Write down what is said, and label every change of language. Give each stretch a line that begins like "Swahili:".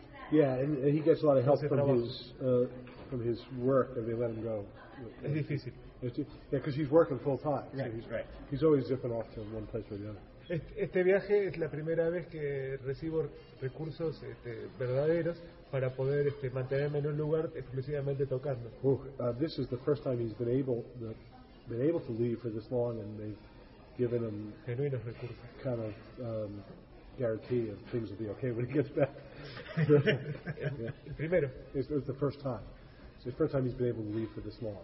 English: Yeah, and he gets a lot of help from his work if they let him go.
Spanish: Es difícil.
English: Yeah, because he's working full time. Right, so he's, right. He's always zipping off to one place or the other.
Spanish: Este viaje es la primera vez que recibo recursos verdaderos para poder mantenerme en un lugar exclusivamente tocando.
English: This is the first time he's been able to leave for this long, and they've given him
Spanish: genuinos recursos.
English: Kind of guarantee of things will be okay when he gets back.
Spanish: El primero.
English: It's the first time. It's the first time he's been able to leave for this long.